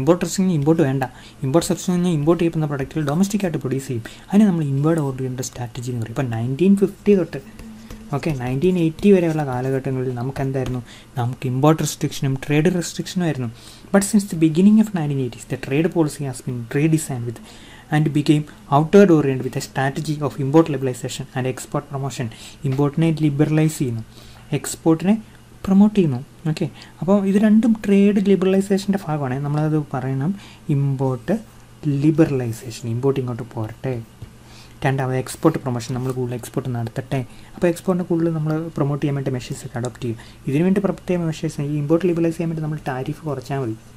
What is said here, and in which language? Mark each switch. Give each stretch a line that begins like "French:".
Malayalam: Import restriction import വേണ്ട, import സബ്സ്റ്റിറ്റ്യൻ എന്ന് പറഞ്ഞാൽ ഇമ്പോർട്ട് ചെയ്യുന്ന പ്രൊഡക്റ്റുകൾ ഡൊമസ്റ്റിക്കായിട്ട് പ്രൊഡ്യൂസ് ചെയ്യും, അതിനെ നമ്മൾ ഇൻവേർഡ് ഓർഡർ ചെയ്യേണ്ട സ്ട്രാറ്റജി എന്ന് പറയും. ഇപ്പോൾ 1950 തൊട്ട് ഓക്കെ 1980 വരെയുള്ള കാലഘട്ടങ്ങളിൽ നമുക്കെന്തായിരുന്നു, നമുക്ക് ഇമ്പോർട്ട് റെസ്ട്രിക്ഷനും ട്രേഡ് റെസ്ട്രിക്ഷനും ആയിരുന്നു.
English: But since the beginning of 1980s the trade policy has been redesign with and became outward oriented with a strategy of import liberalization and export promotion.
Malayalam: Importinate liberalize in export promote ചെയ്യുന്നു. Okay, അപ്പോൾ ഇത് രണ്ടും trade ലിബറലൈസേഷൻ്റെ ഭാഗമാണ്. നമ്മളത് പറയണം import liberalisation, import ഇങ്ങോട്ട് പോരട്ടെ. രണ്ടാമത് എക്സ്പോർട്ട് പ്രൊമോഷൻ, നമ്മൾ കൂടുതൽ എക്സ്പോർട്ട് നടത്തട്ടെ. അപ്പോൾ എക്സ്പോർട്ടിനെ കൂടുതൽ നമ്മൾ പ്രൊമോട്ട് ചെയ്യാൻ വേണ്ടി മെഷേഴ്സൊക്കെ അഡോപ്റ്റ് ചെയ്യും. ഇതിനു വേണ്ടി പ്രത്യേക മെഷേഴ്സ്, ഈ ഇമ്പോർട്ട് ലിബറലൈസ് ചെയ്യാൻ വേണ്ടി നമ്മൾ ടാരിഫ് കുറച്ചാൽ മതി.